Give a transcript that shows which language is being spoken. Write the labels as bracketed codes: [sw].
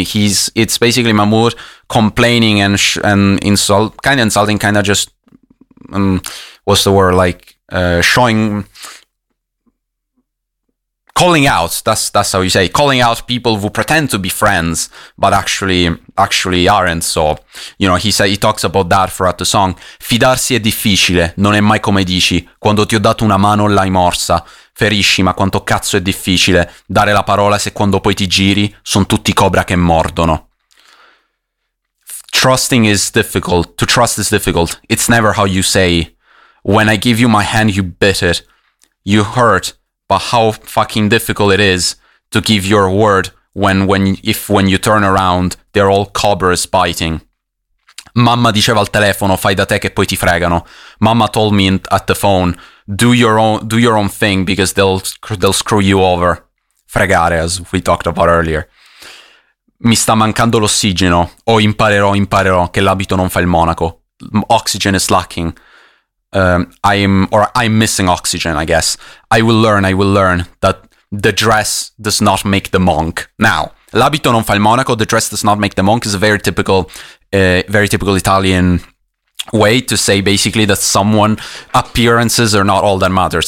[en] It's basically Mahmood complaining calling out. That's how you say, calling out people who pretend to be friends but actually aren't. So you know, he talks about that throughout the song. [it] Fidarsi è difficile. Non è mai come dici. Quando ti ho dato una mano l'hai morsa. Ferisci, ma quanto cazzo è difficile dare la parola se quando poi ti giri sono tutti cobra che mordono. [en] trusting is difficult. To trust is difficult. It's never how you say, when I give you my hand, you bit it. You hurt. But how fucking difficult it is to give your word when you turn around, they're all cobras biting. [it] Mamma diceva al telefono, fai da te che poi ti fregano. [en] Mamma told me at the phone, do your own thing because they'll screw you over. Fregare, as we talked about earlier. [it] Mi sta mancando l'ossigeno. Oh, imparerò che l'abito non fa il monaco. [en] Oxygen is lacking. I'm missing oxygen, I guess. I will learn that the dress does not make the monk. Now, [it] l'abito non fa il monaco, [en] the dress does not make the monk is a very typical Italian way to say basically that someone appearances are not all that matters.